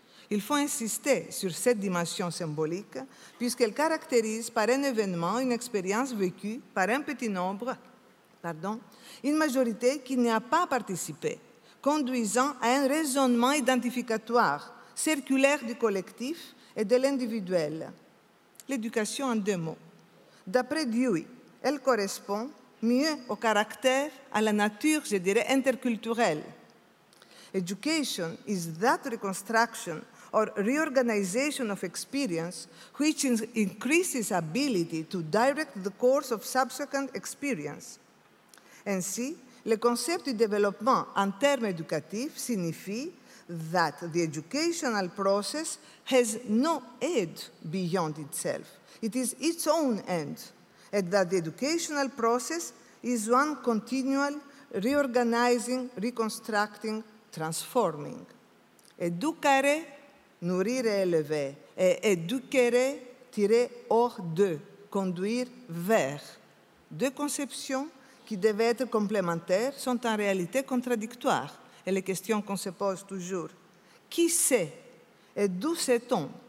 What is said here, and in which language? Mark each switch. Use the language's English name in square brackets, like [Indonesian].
[French] Il faut insister sur cette dimension symbolique puisqu'elle caractérise par un événement une expérience vécue par un petit nombre, une majorité qui n'y a pas participé, conduisant à un raisonnement identificatoire, circulaire du collectif et de l'individuel. L'éducation en deux mots. D'après Dewey, elle correspond mieux au caractère, à la nature, je dirais, interculturelle. [English] Education is that reconstruction or reorganization of experience which increases ability to direct the course of subsequent experience. [French] Ainsi, le concept du développement en termes éducatifs signifie [English] that the educational process has no end beyond itself. It is its own end, and that the educational process is one continual reorganizing, reconstructing, transforming. [French] Educare, nourrir et élever, et éduquere, tirer hors de, conduire vers. Deux conceptions qui devaient être complémentaires sont en réalité contradictoires. Et les questions qu'on se pose toujours, qui sait et d'où sait-on?